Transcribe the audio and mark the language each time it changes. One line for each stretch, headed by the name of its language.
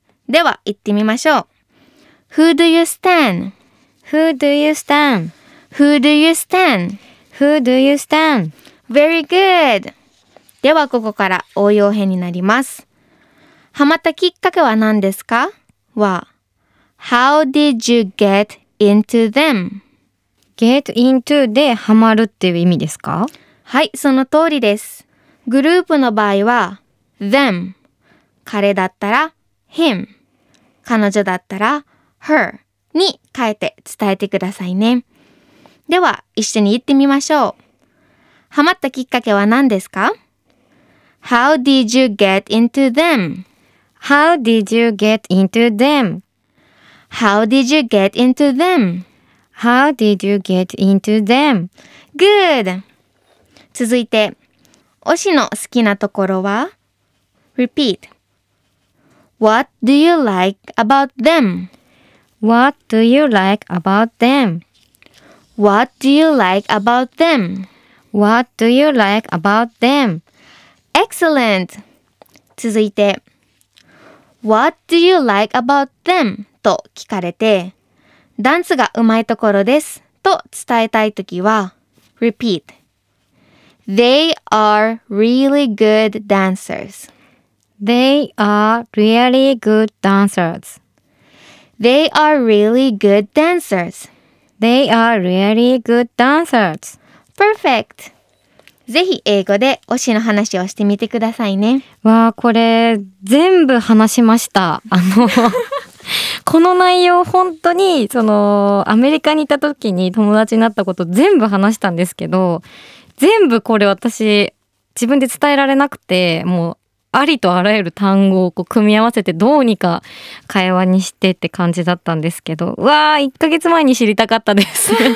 Japanese: では、言ってみましょう。
English: Who do you stan? Who do you stan? Who do you stan? Who do you stan? Very good!
Japanese: では、ここから応用編になります。ハマったきっかけは何ですか？
English: は、How did you get into them? Get into
Japanese: でハマるっていう意味ですか？はい、その通りです。グループの場合は、them。彼だったら、him。彼女だったら、her。に変えて伝えてくださいね。では、一緒に言ってみましょう。ハマったきっかけは何ですか？
English: How did you get into them? How did you get into them? How did you get into them? How did you get into them? Good!
Japanese: 続いて、推しの好きなところは？
English: Repeat. What do you like about them? What do you like about them? What do you like about them? What do you like about them? Excellent!
Japanese: 続いて
English: What do you like about them?
Japanese: と聞かれてダンスがうまいところですと伝えたいときは
English: Repeat They are really good dancers. They are really good dancers. They are really good dancers. They are really good dancers. Perfect!
Japanese: ぜひ英語で推しの話をしてみてくださいね。わあ、これ全部話しました。この内容本当にそのアメリカにいた時に友達になったこと全部話したんですけど、全部これ私自分で伝えられなくて、もうありとあらゆる単語をこう組み合わせてどうにか会話にしてって感じだったんですけど、わあ1ヶ月前に知りたかったです。